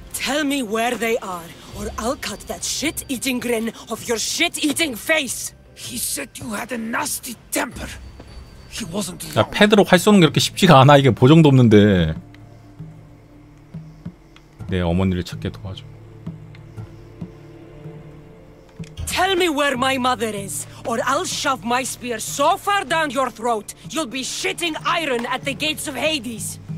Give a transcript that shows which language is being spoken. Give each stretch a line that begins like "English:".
English: Tell me where they are, or I'll cut that shit-eating grin off your shit-eating face. He said you had a nasty temper. He wasn't wrong.
Korean: 야, 패드로 활 쏘는 게 그렇게 쉽지가 않아. 이게 보정도 없는데. 내 어머니를 찾게 도와줘.
English: Tell me where my mother is, or I'll shove my spear so far down your throat, you'll be shitting iron at the gates of Hades.